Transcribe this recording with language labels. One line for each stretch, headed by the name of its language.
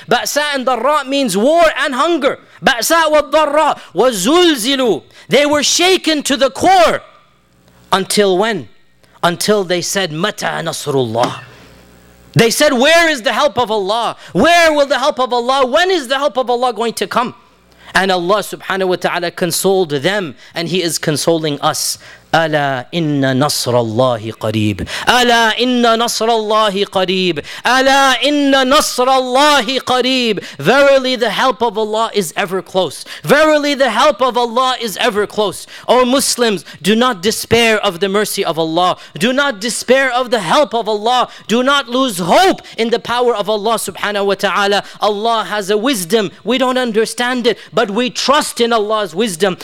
English: بَأْسَاءُ and ضَرَّاءُ means war and hunger.
Arabic: بَأْسَاءُ وَالضَّرَّاءُ وَزُلْزِلُوا
English: They were shaken to the core. Until when? Until they said,
Arabic: مَتَى نَصْرُ اللَّهِ
English: They said, where is the help of Allah? Where will the help of Allah? When is the help of Allah going to come? And Allah subhanahu wa ta'ala consoled them, and He is consoling us.
Arabic: أَلَا إِنَّ نَصْرَ اللَّهِ قَرِيبٌ أَلَا إِنَّ نَصْرَ اللَّهِ قَرِيبٌ أَلَا إِنَّ نَصْرَ اللَّهِ قَرِيبٌ
English: Verily the help of Allah is ever close. Verily the help of Allah is ever close. O Muslims, do not despair of the mercy of Allah. Do not despair of the help of Allah. Do not lose hope in the power of Allah subhanahu wa ta'ala. Allah has a wisdom. We don't understand it, but we trust in Allah's wisdom.